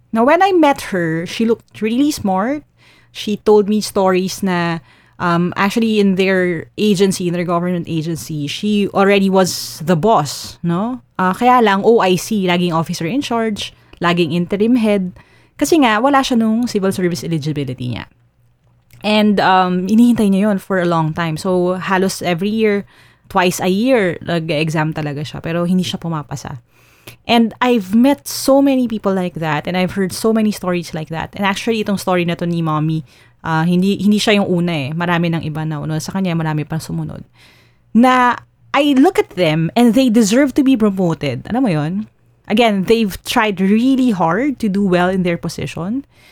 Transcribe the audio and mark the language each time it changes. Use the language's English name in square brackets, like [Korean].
[English] Now, when I met her, she looked really smart. She told me stories na actually in their agency, in their government agency, she already was the boss, no? [Filipino] Kaya lang OIC, laging officer in charge, laging interim head. Kasi nga, wala siya nung civil service eligibility niya. And inihintay niya yun for a long time. So, halos every year, twice a year, nag-exam talaga siya. Pero hindi siya pumapasa. [English] And I've met so many people like that. And I've heard so many stories like that. [Filipino] And actually, itong story na to ni mommy, hindi siya yung una eh. Marami ng iba na uno sa kanya, marami pa sumunod. [English] Na I look at them and they deserve to be promoted. [Filipino] Alam mo yun? [English] Again, they've tried really hard to do well in their position.